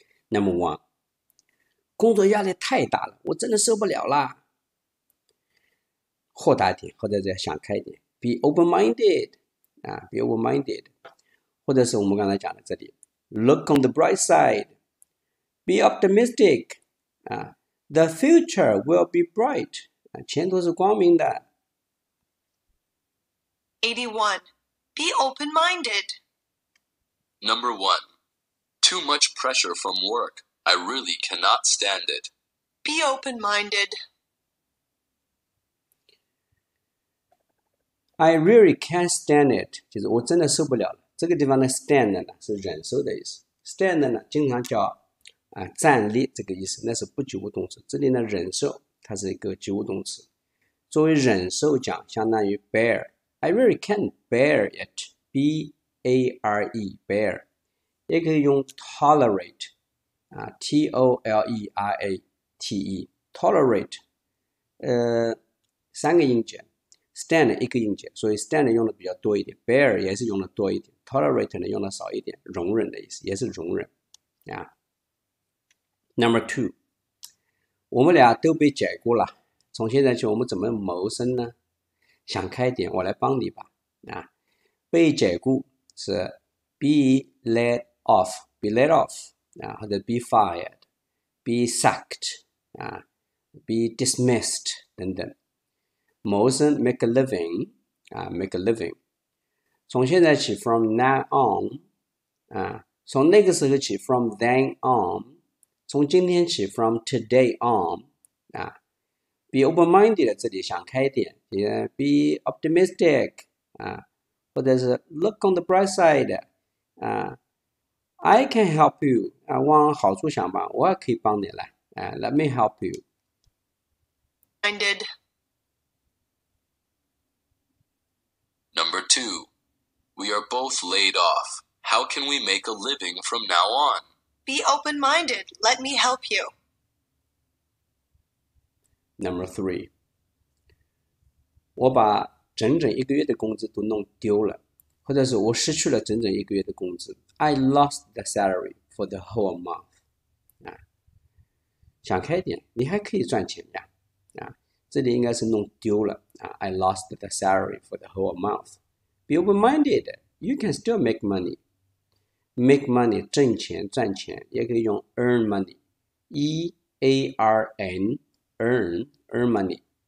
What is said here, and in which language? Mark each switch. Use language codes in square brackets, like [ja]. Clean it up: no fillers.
[en] Number one， [zh] 工作压力太大了，我真的受不了啦。豁达点，或者是想开点 ， [en] be open-minded， [zh] 啊 ，be open-minded， 或者是我们刚才讲的这里 ， [en] look on the bright side，be optimistic。 The future will be bright. [zh] 前途是光明的。 [en] 81. Be open-minded. Number 1. Too much pressure from work. I really cannot stand it. Be open-minded. I really can't stand it. [zh] 就是我真的受不了了。这个地方的 stand 呢，是忍受的意思。 Stand 呢，经常叫啊，站立这个意思，那是不及物动词。这里呢，忍受它是一个及物动词。作为忍受讲，相当于 bear。 [en] I really can't bear it. B-A-R-E, bear. [zh] 也可以用 tolerate, 啊 ，T-O-L-E-R-A-T-E, tolerate。三个音节 ，stand 一个音节，所以 stand 用的比较多一点 ，bear 也是用的多一点 ，tolerate 呢用的少一点，容忍的意思，也是容忍，啊。 [en] Number two， [zh] 我们俩都被解雇了，从现在起我们怎么谋生呢？想开点，我来帮你吧。啊，被解雇是 [en] be laid off， [zh] be laid off， 啊，或者 [en] be fired， be sacked， [zh] 啊， [en] be dismissed [zh] 等等。谋生 [en] make a living， [zh] 啊， make a living， 从现在起 [en] from now on， [zh] 啊，从那个时候起 [en] from then on。 [zh] 从今天起 ， [en] from today on， [zh] 啊 ， [en] be open-minded， [zh] 这里想开一点，也 [en] be optimistic， [zh] 啊，或者是 [en] look on the bright side， [zh] 啊 ， [en] I can help you， [zh] 啊，往好处想吧，我也可以帮你了，啊 ， [en] let me help you。 Minded. Number two， we are both laid off. How can we make a living from now on？ Be open-minded. Let me help you. Number three， [zh] 我把整整一个月的工资都弄丢了，或者是我失去了整整一个月的工资。 [en] I lost the salary for the whole month. [zh] 啊，想开点，你还可以赚钱呀。啊，这里应该是弄丢了。啊 [en] ，I lost the salary for the whole month. Be open-minded. You can still make money. Make money [zh] 挣钱赚钱，也可以用 [en] earn money， E A R N， earn money。